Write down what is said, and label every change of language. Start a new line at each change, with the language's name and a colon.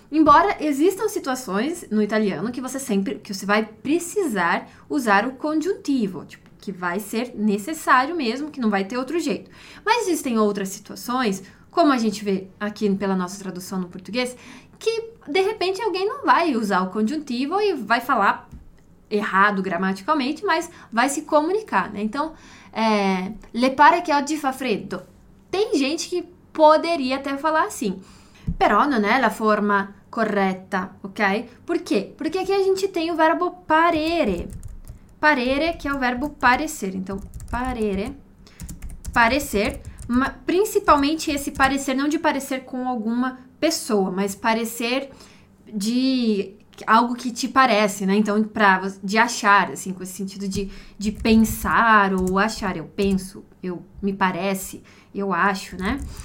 Portuguese: Embora existam situações no italiano que você vai precisar usar o conjuntivo, tipo, que vai ser necessário mesmo, que não vai ter outro jeito. Mas existem outras situações, como a gente vê aqui pela nossa tradução no português, que de repente alguém não vai usar o conjuntivo e vai falar errado gramaticalmente, mas vai se comunicar, né?
Italian: Então, le pare che oggi fa freddo.
Portuguese: Tem gente que poderia até falar assim,
Italian: però non è la forma corretta,
Portuguese: ok? Por quê? Porque aqui a gente tem o verbo parere.
Italian: Parere, che è un verbo parecer.
Portuguese: Então, parere, parecer, ma principalmente esse parecer, não de parecer com alguma pessoa, mas parecer de algo que te parece, né? Então, para de achar, assim, com esse sentido de pensar ou achar, eu penso, eu me parece, eu acho, né?